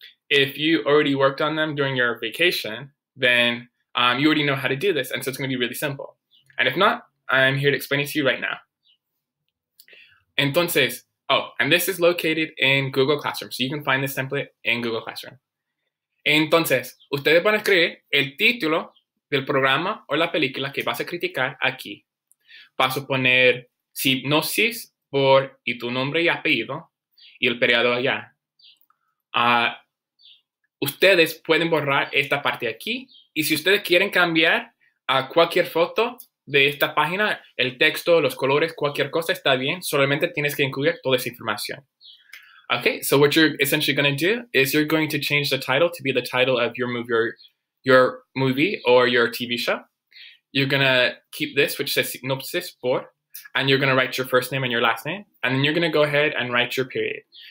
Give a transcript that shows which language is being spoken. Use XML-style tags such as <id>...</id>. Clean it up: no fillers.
<en>If you already worked on them during your vacation, then you already know how to do this. And so it's going to be really simple. And if not, I'm here to explain it to you right now. Entonces, oh, and this is located in Google Classroom. So you can find this template in Google Classroom.</en> <es>Entonces, ustedes van a escribir el título del programa o la película que vas a criticar aquí. Vas a poner sinopsis por y tu nombre y apellido y el periodo allá. Ustedes pueden borrar esta parte aquí. Y si ustedes quieren cambiar a cualquier foto de esta página, el texto, los colores, cualquier cosa, está bien. Solamente tienes que incluir toda esa información.</es> <en>Okay, so what you're essentially going to do is you're going to change the title to be the title of your movie or your TV show. You're going to keep this, which says synopsis for, and you're going to write your first name and your last name, and then you're going to go ahead and write your period.</en>